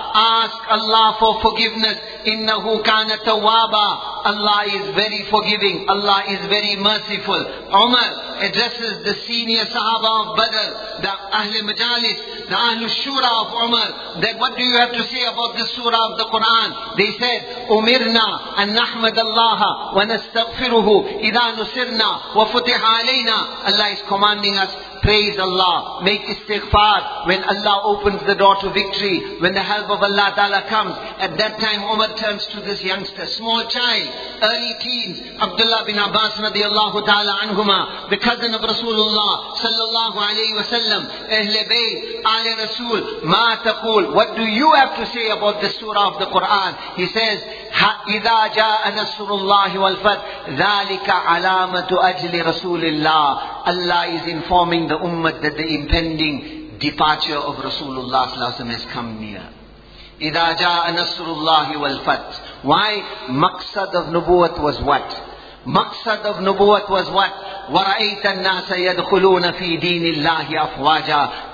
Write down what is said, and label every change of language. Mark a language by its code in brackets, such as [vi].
[en] Ask Allah for forgiveness. [ar] إِنَّهُ كَانَ تَوَّابًا. [en] Allah is very forgiving. Allah is very merciful. Umar addresses the senior sahaba of Badr, the Ahl Majalis, the Al-Shura of Umar, that what do you have to say about this surah of the Quran? They said, [ar] أُمِرْنَا أَن نَحْمَدَ اللَّهَ وَنَسْتَغْفِرُهُ إِذَا نُسِرْنَا وَفُتِحَ عَلَيْنَا. [en] Allah is commanding us, praise Allah, make istighfar. When Allah opens the door to victory, when the help of Allah Ta'ala comes, at that time Umar turns to this youngster, small child, early teens, Abdullah bin Abbas radiallahu ta'ala anhuma, the cousin of Rasulullah sallallahu alayhi wa sallam, Ahle Bayt, Ahle Rasul, ma taqul, what do you have to say about the surah of the Quran? He says, [ar] إِذَا جَاءَ نَصْرُ اللَّهِ وَالْفَتْحِ ذَلِكَ عَلَامَةُ أَجْلِ رَسُولِ اللَّهِ. [en] Allah is informing the ummah that the impending departure of Rasulullah sallallahu alaihi wasallam has come near. [ar] إِذَا جَاءَ نَصْرُ اللَّهِ وَالْفَتْحِ. [en] Why? Maqsad of nubuwat was what? Maqsad of nubuwat was what? [ar] وَرَأَيْتَ النَّاسَ يَدْخُلُونَ فِي دِينِ اللَّهِ أَفْوَاجًا.